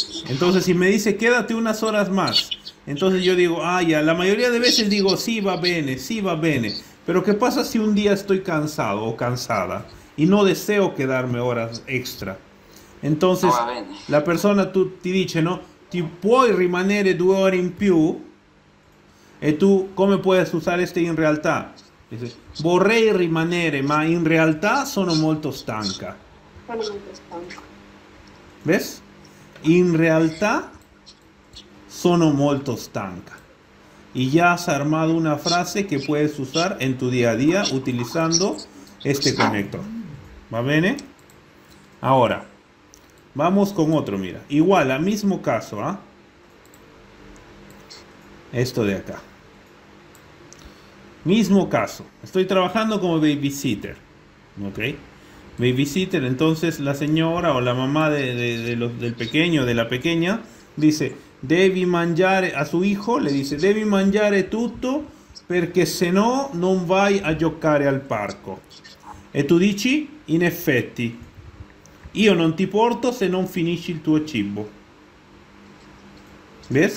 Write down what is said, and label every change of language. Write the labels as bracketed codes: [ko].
[es] Entonces, si me dice, "Quédate unas horas más." Entonces yo digo, "Ah, ya." La mayoría de veces digo, "Sí, [it] va bene, sí va bene." [es] Pero ¿qué pasa si un día estoy cansado o cansada y no deseo quedarme horas extra? Entonces, la persona [it] ti dice, [es] ¿no? [it] Ti puoi rimanere due ore in più? [es] E tú, ¿cómo puedes usar este in realtà? [it] Dice, vorrei rimanere, ma in realtà sono molto stanca. Sono molto stanca. [es] ¿Ves? [it] Sì. In realtà sono molto stanca. [es] Y ya has armado una frase que puedes usar en tu día a día utilizando este conector. ¿Va bien? Ahora, vamos con otro, mira. Igual, al mismo caso, ¿ah? Esto de acá. Mismo caso. Estoy trabajando como babysitter. ¿Ok? Babysitter, entonces la señora o la mamá del pequeño, de la pequeña, dice... [it] Devi mangiare [es] a su hijo, le dice, [it] devi mangiare tutto perché se no non vai a giocare al parco. E tu dici, in effetti, io non ti porto se non finisci il tuo cibo. [es] Ves?